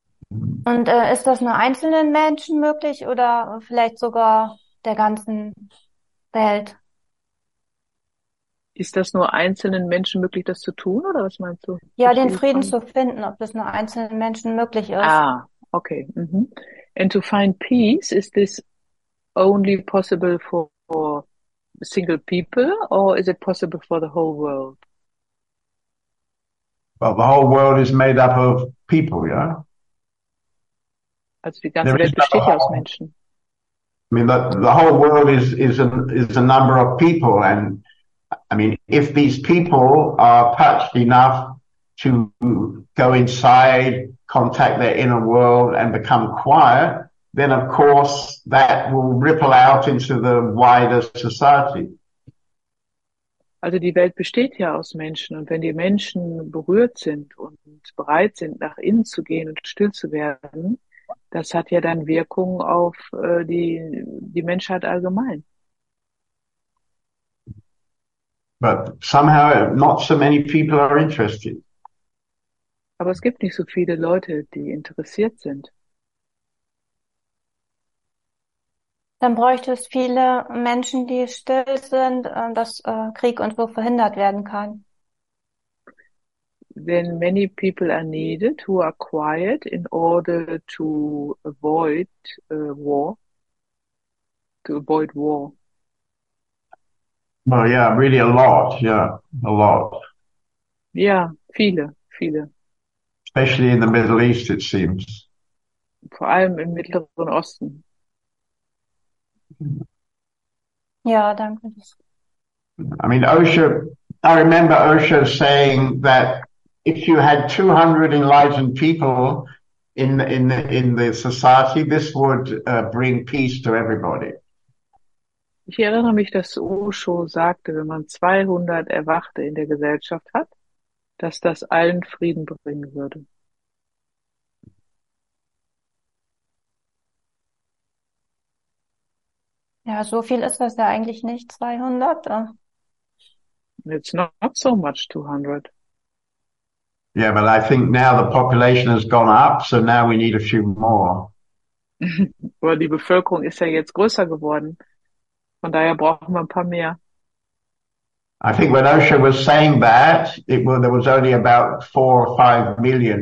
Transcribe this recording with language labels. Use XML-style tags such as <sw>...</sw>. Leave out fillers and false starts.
<de>Und ist das nur einzelnen Menschen möglich oder vielleicht sogar der ganzen Welt? Ist das nur einzelnen Menschen möglich, das zu tun, oder was meinst du? Ja, den Frieden zu finden, ob das nur einzelnen Menschen möglich ist. Ah, Okay. Mm-hmm.</de> <en>And to find peace, is this only possible for single people, or is it possible for the whole world? Well, the whole world is made up of people, yeah?</en> <de>Also die ganze Welt besteht ja aus Menschen.</de> <en>I mean, the whole world is a number of people, and I mean, if these people are touched enough to go inside, contact their inner world and become quiet, then of course that will ripple out into the wider society.</en> <de>Also die Welt besteht ja aus Menschen, und wenn die Menschen berührt sind und bereit sind, nach innen zu gehen und still zu werden, das hat ja dann Wirkung auf die Menschheit allgemein.</de> <en>But somehow not so many people are interested.</en> <de>Aber es gibt nicht so viele Leute, die interessiert sind. Dann bräuchte es viele Menschen, die still sind, dass Krieg und so verhindert werden kann.</de> <en>Then many people are needed who are quiet in order to avoid war. To avoid war. Well, yeah, really a lot, yeah, a lot.</en> <de>Yeah, viele, viele.</de> <en>Especially in the Middle East, it seems.</en> <de>Vor allem im Mittleren Osten. Ja, danke.</de> <en>I mean, Osho, I remember Osho saying that if you had 200 enlightened people in the society, this would bring peace to everybody.</en> <de>Ich erinnere mich, dass Osho sagte, wenn man 200 Erwachte in der Gesellschaft hat, dass das allen Frieden bringen würde. Ja, so viel ist das ja eigentlich nicht, 200.</de> <en>It's not so much, 200. Yeah, but I think now the population has gone up, so now we need a few more.</en> <de>Well, die Bevölkerung ist ja jetzt größer geworden. Von daher brauchen wir ein paar mehr.</de> <en>I think when Osho was saying that, there was only about 4 or 5 million.</en>